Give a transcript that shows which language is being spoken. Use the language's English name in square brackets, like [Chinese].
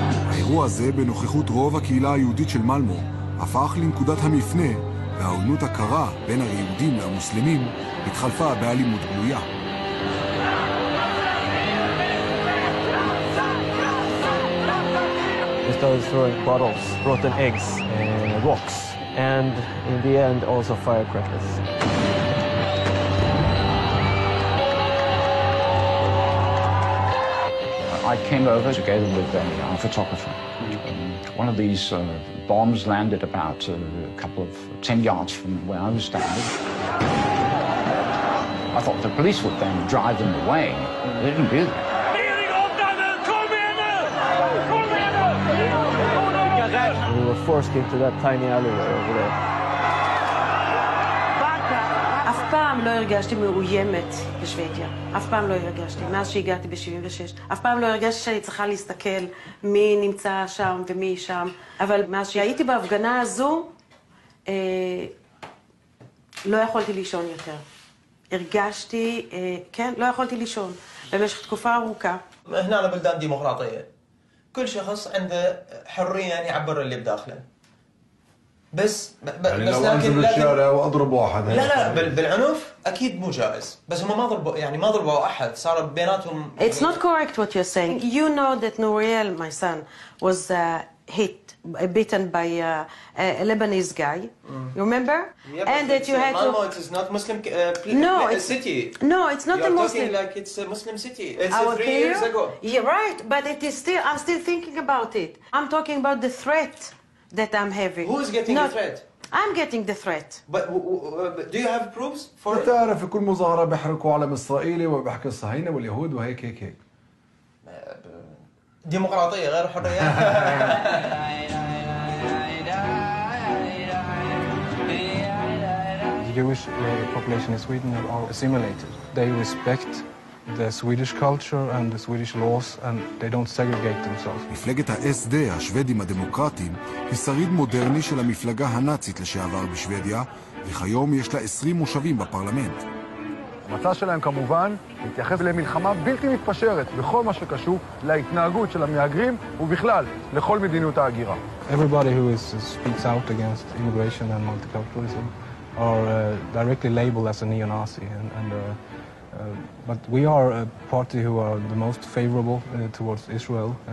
[Hebrew] האירוע הזה, בנוכחות רוב הקהילה היהודית של מלמו, הפך לנקודת המפנה, והעוינות הקרה בין היהודים למוסלמים התחלפה באלימות גלויה. [English] We started throwing bottles, rotten eggs, rocks, and in the end also firecrackers. I came over together with a photographer. One of these bombs landed about a couple of 10 yards from where I was standing. I thought the police would then drive them away. They didn't do that. We were forced into that tiny alleyway over there. [Hebrew] אף פעם לא הרגשתי מאוימת בשוודיה. אף פעם לא הרגשתי, מאז שהגעתי ב-76. אף פעם לא הרגשתי שאני צריכה להסתכל מי נמצא שם ומי שם. אבל מאז שהייתי בהפגנה הזו, לא יכולתי לישון יותר. הרגשתי, כן, לא יכולתי לישון. במשך תקופה ארוכה. [Arabic] هنا على بلدان ديمقراطية. كل شخص عنده حرية أن يعبر اللي بداخله. بس بس لكن الشارع واضرب واحد لا لا بالعنف اكيد مو جائز بس هم ما ضربوا يعني ما ضربوا احد صار بيناتهم [English] It's not correct what you're saying. You know that Norell, my son, was hit beaten by a Lebanese guy. You remember? And that you had to It's not Muslim city. No, it's not a Muslim. Like it's a Muslim city. It's 3 years ago. Yeah, right, but it is still I'm still thinking about it. I'm talking about the threat. That I'm having. Who's getting Not, the threat? I'm getting the threat. But do you have proofs for it? [Arabic] تعرف كل مظاهرة بحركوا على إسرائيلي وبحكي الصهاينة واليهود وهيك هيك هيك. ديمقراطية غير حرية. [English] The Jewish population in Sweden are assimilated. They respect the Swedish culture and the Swedish laws and they don't segregate themselves. [Hebrew] מפלגת ה-SD, השוודים הדמוקרטיים, היא שריד מודרני של המפלגה הנאצית לשעבר בשוודיה, וכיום יש לה 20 מושבים בפרלמנט. המצע שלהם כמובן מתייחס למלחמה בלתי מתפשרת בכל מה שקשור להתנהגות של המהגרים ובכלל לכל מדיניות ההגירה. [English] Everybody who is speaks out against immigration and multiculturalism are directly labeled as a neo-Nazi but we are a party who are the most favorable towards Israel.